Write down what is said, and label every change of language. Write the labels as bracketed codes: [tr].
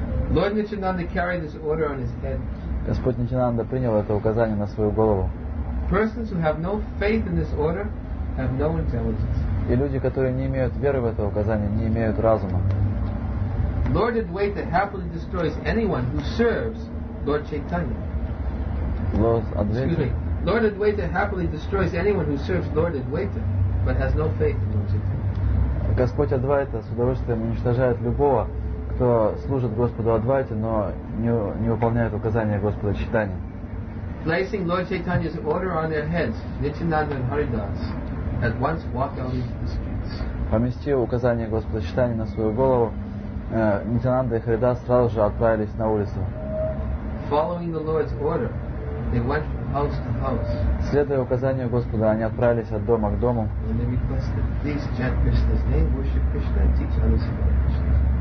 [en] Lord Nityananda carried this order on his head. [ru] Господь Нитянанда принял это указание на свою голову. [en] Persons who have no faith in this order have no intelligence. [ru] И люди, которые не имеют веры в это указание, не имеют разума. [en] Lord Advaita happily destroys anyone who serves Lord Chaitanya. Lord Advaita happily destroys anyone who serves Lord Advaita, but has no faith in Lord Chaitanya. [ru] Господь Адвайта с удовольствием уничтожает любого, кто служит Господу Адвайте, но не выполняет указания Господа Чайтаньи. [en] Placing Lord Chaitanya's order on their heads, Nityananda and Haridas at once walked out into the streets. [ru] Поместив указание Господа Чайтаньи на свою голову, Нитянанда и Харидас сразу же отправились на улицу. [en] Following the Lord's order, they went from house to house. [ru] Следуя указанию Господа, они отправились от дома к дому. [en] And they requested, please chant Krishna's name, worship Krishna, and teach others about Krishna.